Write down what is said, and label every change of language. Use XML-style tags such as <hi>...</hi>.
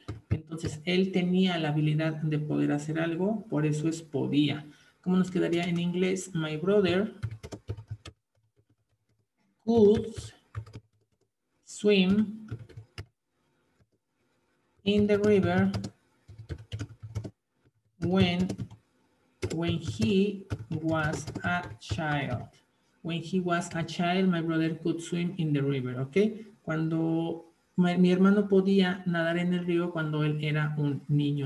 <es>Entonces, él tenía la habilidad de poder hacer algo, por eso es podía. ¿Cómo nos quedaría en inglés?</es> <en>My brother could swim in the river when he was a child. When he was a child, my brother could swim in the river, ¿ok?</en> <es>Cuando mi hermano podía nadar en el río cuando él era un niño.</es>